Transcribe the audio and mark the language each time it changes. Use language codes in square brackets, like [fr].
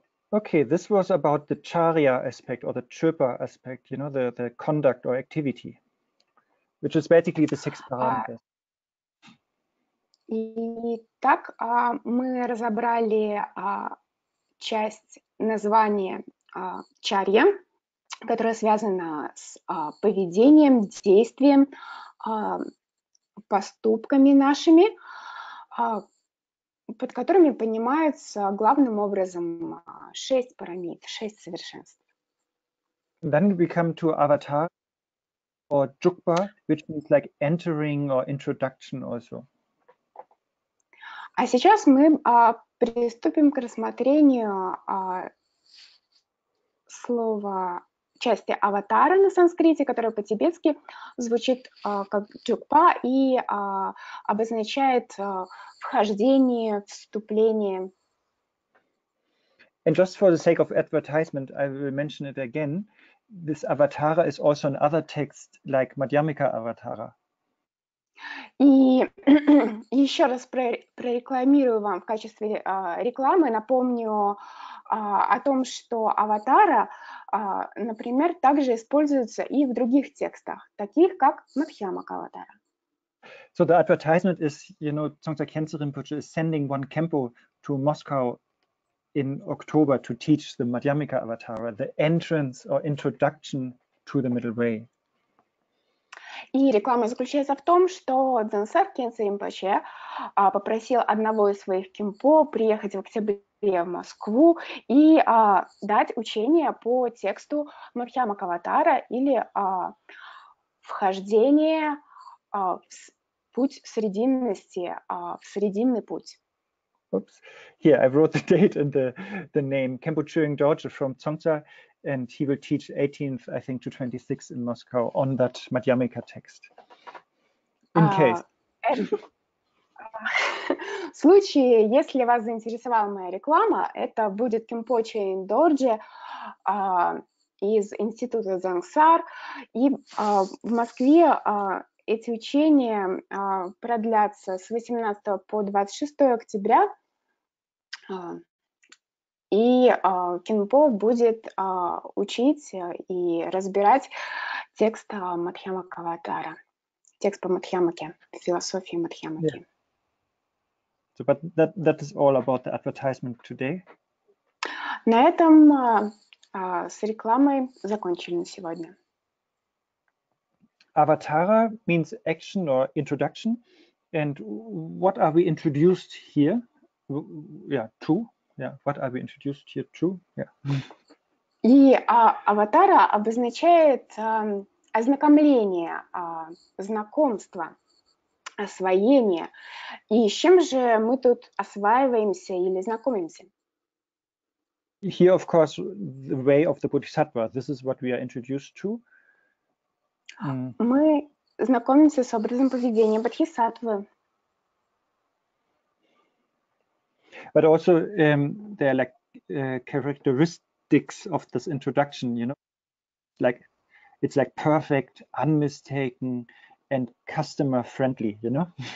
[en] Okay, this was about the charya aspect or the chöpa aspect, you know, the conduct or activity, which is basically the six parameters. [ru] Итак, мы разобрали часть названия чарья, которая связана с поведением, действием, поступками нашими, под которыми понимаются главным образом шесть парамид, шесть совершенств. [en] Then we come to avatar or jukpa, which means like entering or introduction also. [ru] А сейчас мы приступим к рассмотрению слова части аватара на санскрите, которое по-тибетски звучит как джукпа и обозначает вхождение, вступление. [en] And just for the sake of advertisement, I will mention it again. This avatara is also in other texts, like Madhyamika avatara. [ru] И еще раз прорекламирую вам в качестве рекламы, напомню о том, что аватара, например, также используется и в других текстах, таких как Мадхьямака аватара. [en] So the advertisement is, you know, Tsongtsa Khyentse Rinpoche is sending one Kempo to Moscow in October to teach the Madhyamika avatara, the entrance or introduction to the middle way. [ru] И реклама заключается в том, что Дзенсер Кенцеймпаче попросил одного из своих кимпо приехать в октябре в Москву и дать учение по тексту Мабхьяма Каватара или вхождение в путь срединности, в срединный путь. [en] Oops. Yeah, I wrote the date and the name. Kenpo Chöring Dorje from Tsongtsa, and he will teach 18th, I think, to 26th in Moscow on that Madhyamika text. In case. [ru] В случае, если вас заинтересовала моя реклама, это будет Kenpo Chöring Dorje из Института Дзангсар, и в Москве. Эти учения продлятся с 18 по 26 октября, и Кенпо будет учить и разбирать текст Мабхьяма Каватара, текст по Мабхьямаке, философии Мабхьямаки. [en] Yeah. So, but that is all about the advertisement today. [ru] На этом с рекламой закончили на сегодня. [en] Avatara means action or introduction, and what are we introduced here? What are we introduced here to? Yeah. [ru] И аватара обозначает ознакомление, знакомство, освоение. И с чем же мы тут осваиваемся или знакомимся? [en] Here, of course, the way of the Bodhisattva. This is what we are introduced to. [ru] Мы знакомимся с образом поведения бодхисаттвы. [en] But also there are like characteristics of this introduction, you know, like it's like perfect, unmistaken, and customer friendly, you know.